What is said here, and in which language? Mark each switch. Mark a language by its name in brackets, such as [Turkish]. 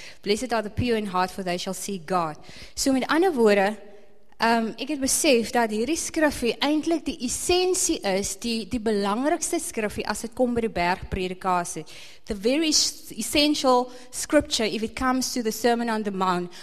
[English] Blessed are the pure in heart, for they shall see God. [Afrikaans] So met ander woorde, ek het besef dat hierdie skrifje eintlik die essentie is, die belangrikste skrifje as het kom by die bergpredikasie. [English] The very essential scripture if it comes to the Sermon on the Mount.